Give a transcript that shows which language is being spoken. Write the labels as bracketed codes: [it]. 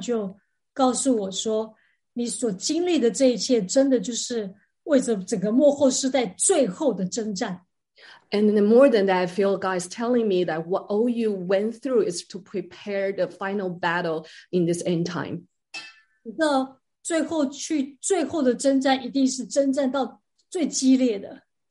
[zh] 不仅如此,我也感觉神好像就告诉我说, 你所经历的这一切真的就是为着整个末后世代最后的征战。 [en] And more than that, I feel God is telling me that what all you went through is to prepare the final battle in this end time. [zh] 最后的征战一定是征战到最激烈的。